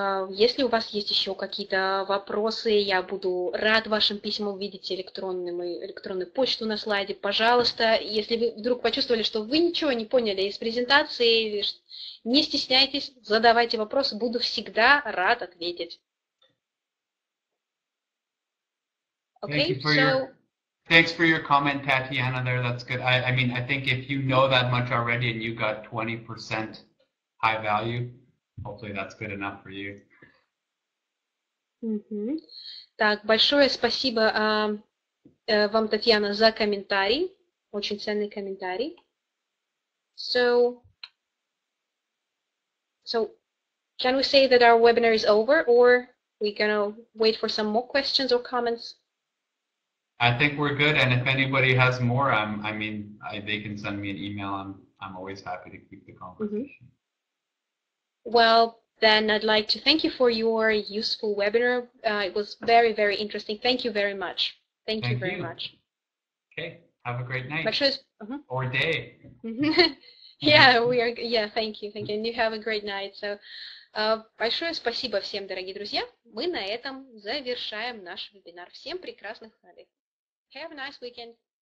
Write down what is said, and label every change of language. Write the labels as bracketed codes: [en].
[ru] Если у вас есть еще какие-то вопросы, я буду рад вашим письмам видеть электронную почту на слайде. Пожалуйста, если вы вдруг почувствовали, что вы ничего не поняли из презентации, не стесняйтесь, задавайте вопросы, буду всегда рад ответить. [en] Okay, thanks for your comment, Tatiana, there. That's good. I mean, I think if you know that much already and you got 20% high value, hopefully that's good enough for you. Mm-hmm. [ru] Так, большое спасибо вам, Татьяна, за комментарий. Очень ценный комментарий. [en] So, can we say that our webinar is over, or we're going to wait for some more questions or comments? I think we're good, and if anybody has more, they can send me an email. I'm always happy to keep the conversation. Mm-hmm. Well, then I'd like to thank you for your useful webinar. It was very, very interesting. Thank you very much. Thank you very much. Okay. Have a great night. Uh-huh. Or day. Yeah, we are. Yeah, thank you. Thank you. And you have a great night. [ru] So, большое спасибо всем, дорогие друзья. Мы на этом завершаем наш вебинар. Всем прекрасных дней. [en] Have a nice weekend.